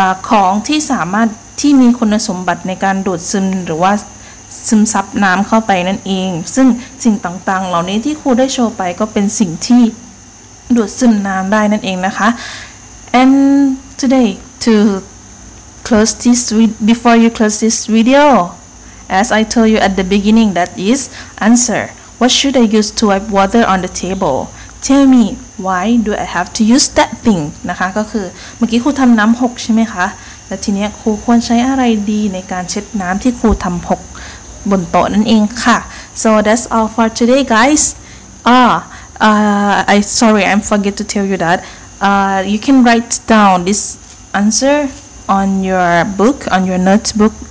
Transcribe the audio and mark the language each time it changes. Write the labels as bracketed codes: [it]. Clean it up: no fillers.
[th] ของที่สามารถที่มีคุณสมบัติในการดูดซึมหรือว่าซึมซับน้ำเข้าไปนั่นเองซึ่งสิ่งต่างๆเหล่านี้ที่ครูได้โชว์ไปก็เป็นสิ่งที่ดูดซึมน้ำได้นั่นเองนะคะ [en] and today to close this before you close this videoAs I told you at the beginning, that is answer. What should I use to wipe water on the table? Tell me why do I have to use that thing? [th] นะคะก็คือเมื่อกี้ครูทำน้ำหกใช่ไหมคะแล้วทีนี้ครูควรใช้อะไรดีในการเช็ดน้ำที่ครูทำหกบนโต๊ะนั่นเองค่ะ [en] So that's all for today, guys. I'm forget to tell you that. You can write down this answer on your book, on your notebook.